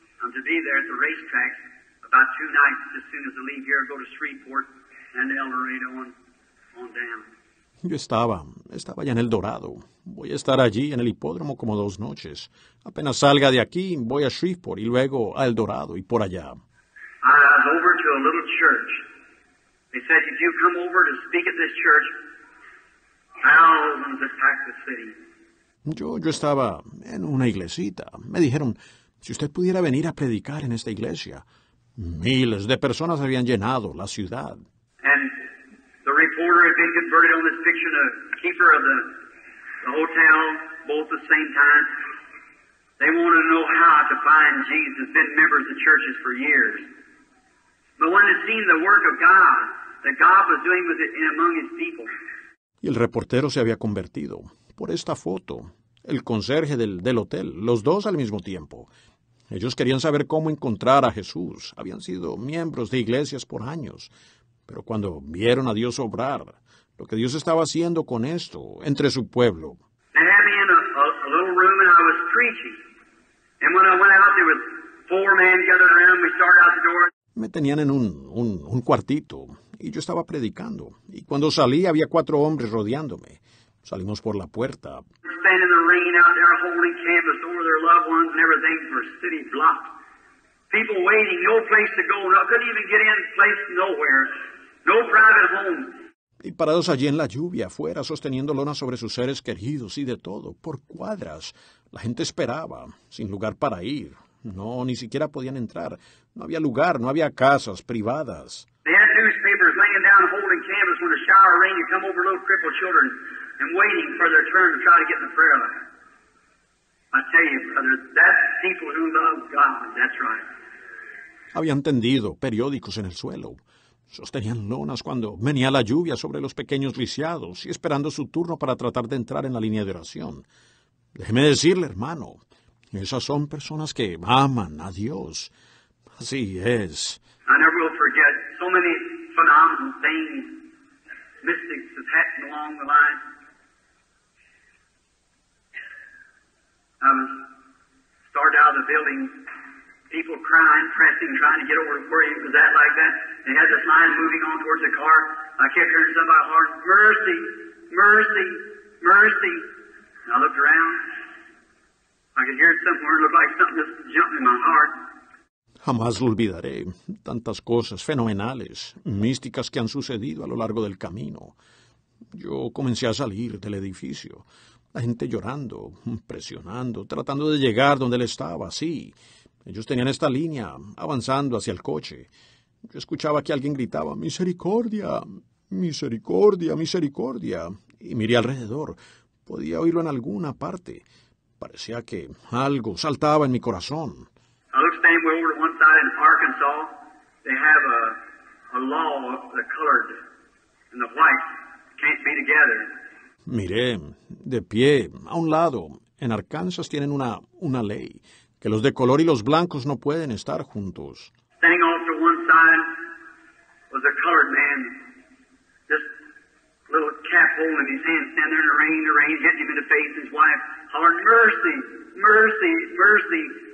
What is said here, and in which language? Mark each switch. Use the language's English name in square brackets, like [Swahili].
[English] To be there at the racetrack about two nights as soon as I leave here and go to Shreveport and El Dorado on down. [Spanish] Yo estaba ya en El Dorado. Voy a estar allí en el hipódromo como dos noches. Apenas salga de aquí, voy a Shreveport y luego a El Dorado y por allá. [English] I was over to a little church. They said, if you come over to speak at this church, thousands attack the city. [Spanish] Yo estaba en una iglesita. Me dijeron, si usted pudiera venir a predicar en esta iglesia, miles de personas habían llenado la ciudad. [English] And the reporter had been converted on this picture, the keeper of the hotel, both at the same time. They wanted to know how to find Jesus, been members of the churches for years. But when they seen the work of God, that God was doing with it in among his people. [Spanish] Y el reportero se había convertido por esta foto, el conserje del hotel, los dos al mismo tiempo. Ellos querían saber cómo encontrar a Jesús. Habían sido miembros de iglesias por años. Pero cuando vieron a Dios obrar, lo que Dios estaba haciendo con esto, entre su pueblo. [English] They had me in a little room and I was preaching. And when I went out, there was four men gathered around. We started out the door. [Spanish] Me tenían en un cuartito y yo estaba predicando. Y cuando salí, había cuatro hombres rodeándome. Salimos por la puerta. [English] Standing in the rain out there holding canvas over their loved ones and everything for a city block. People waiting, no place to go. I couldn't even get in place nowhere. No private home. [Spanish] Y parados allí en la lluvia afuera, sosteniendo lona sobre sus seres queridos y de todo, por cuadras. La gente esperaba, sin lugar para ir. No, ni siquiera podían entrar. No había lugar, no había casas privadas. [English] They had newspapers laying down holding canvas when a shower of rain would come over little crippled children. And waiting for their turn to try to get in the prayer line. I tell you, brother, that's people who love God. That's right. [Spanish] Habían tendido periódicos en el suelo. Sostenían lonas cuando venía la lluvia sobre los pequeños lisiados y esperando su turno para tratar de entrar en la línea de oración. Déjeme decirle, hermano, esas son personas que aman a Dios. Así es. [English] I never will forget so many phenomenal things, mystics have happened along the line. Started out of the building, people crying, pressing, trying to get over to where he was at like that. They had this line moving on towards the car. I kept hearing somebody holler, mercy, mercy, mercy. And I looked around. I could hear it somewhere. It looked like something just jumped in my heart. [Spanish] Jamás lo olvidaré. Tantas cosas fenomenales, místicas que han sucedido a lo largo del camino. Yo comencé a salir del edificio. La gente llorando, presionando, tratando de llegar donde él estaba, sí. Ellos tenían esta línea, avanzando hacia el coche. Yo escuchaba que alguien gritaba, ¡misericordia! ¡Misericordia! ¡Misericordia! Y miré alrededor. Podía oírlo en alguna parte. Parecía que algo saltaba en mi corazón. [English] I looked staying way over to one side in Arkansas. They have a law the colored and the white can't be together. [Spanish] Miré, de pie, a un lado, en Arkansas tienen una ley, que los de color y los blancos no pueden estar juntos. [English] Standing off to one side was a colored man, just a little cap holding his hand, standing there in the rain, hitting him in the face, his wife, hollering, mercy, mercy, mercy.